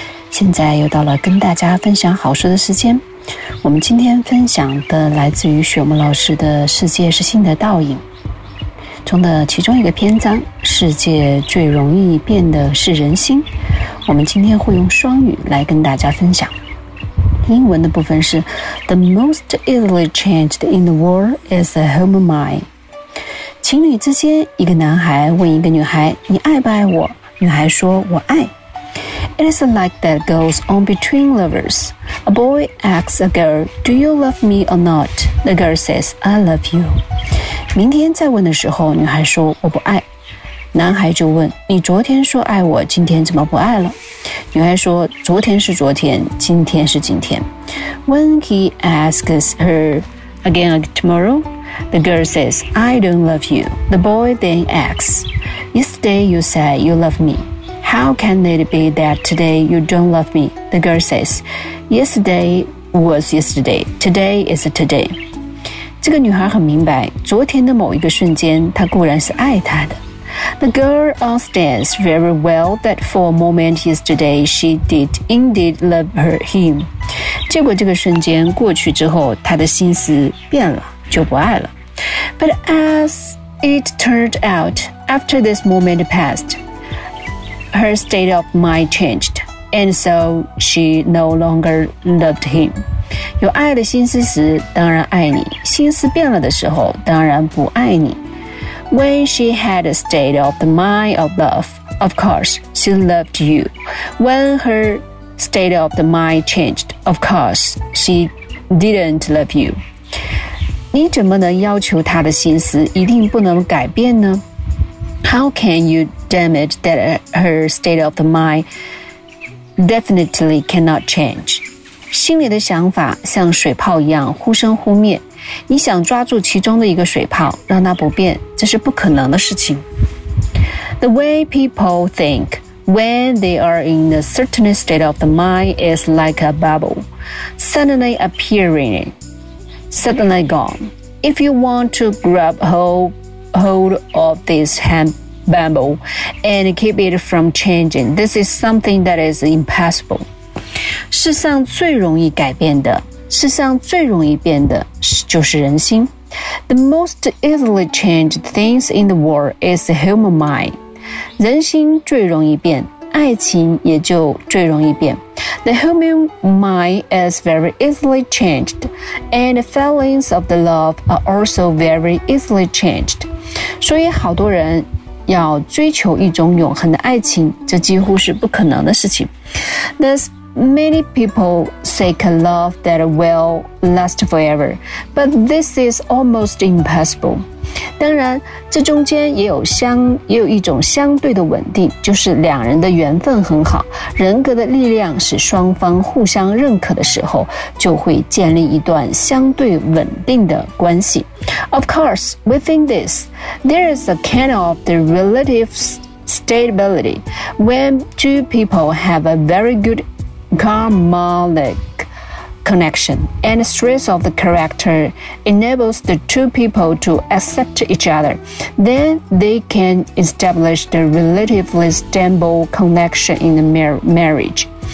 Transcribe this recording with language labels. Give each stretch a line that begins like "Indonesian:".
Chinese: 现在又到了跟大家分享好书的时间。我们今天分享的来自于雪木老师的《世界是性的倒影》中的其中一个篇章《世界最容易变的是人心》。我们今天会用双语来跟大家分享。英文的部分是
English: The most easily changed in the world is a human mind。
Chinese: 情侣之间，一个男孩问一个女孩，你爱不爱我？女孩说，我爱。
English: It is like that goes on between lovers. A boy asks a girl, do you love me or not? The girl says, I love you.
Chinese: 明天再问的时候，女孩说，我不爱。男孩就问，你昨天说爱我，今天怎么不爱了？女孩说，昨天是昨天，今天是今天。
English: When he asks her again tomorrow,The girl says, I don't love you. The boy then asks, Yesterday you said you love me. How can it be that today you don't love me? The girl says, Yesterday was yesterday. Today is today.
Chinese: 这个女孩很明白，昨天的某一个瞬间，她固然是爱他的。
English: The girl understands very well that for a moment yesterday she did indeed love him.
Chinese: 结果这个瞬间过去之后，她的心思变了。就不爱了。
English: But as it turned out, after this moment passed, her state of mind changed, and so she no longer loved him.
Chinese: 有爱的心思时，当然爱你；心思变了的时候，当然不爱你。
English: When she had a state of the mind of love, of course, she loved you. When her state of the mind changed, of course, she didn't love you.
Chinese: 你怎么能要求他的心思一定不能改变呢
English: ？How can you damage that her state of the mind definitely cannot change?
Chinese: 心里的想法像水泡一样忽生忽灭，你想抓住其中的一个水泡让它不变，这是不可能的事情。
English: The way people think when they are in a certain state of the mind is like a bubble suddenly appearing. Suddenly gone. If you want to grab hold of this hand bubble and keep it from changing, this is something that is impossible.
Chinese: 世上最容易改变的，世上最容易变的就是人心。
English: The most easily changed things in the world is the human mind.
Chinese: 人心最容易变，爱情也就最容易变。
English: The human mind is very easily changed, and the feelings of the love are also very easily changed.
Chinese: 所以好多人要追求一种永恒的爱情，这几乎是不可能的事情。
English: Thus, many people seek a love that will last forever, but this is almost impossible.
Chinese: 当然，这中间也有一种相对的稳定，就是两人的缘分很好，人格的力量使双方互相认可的时候，就会建立一段相对稳定的关系。
English: Of course, within this, there is a kind of the relative stability. When two people have a very good karmic connection and strength of the character enables the two people to accept each other, then they can establish the relatively stable connection in the marriage.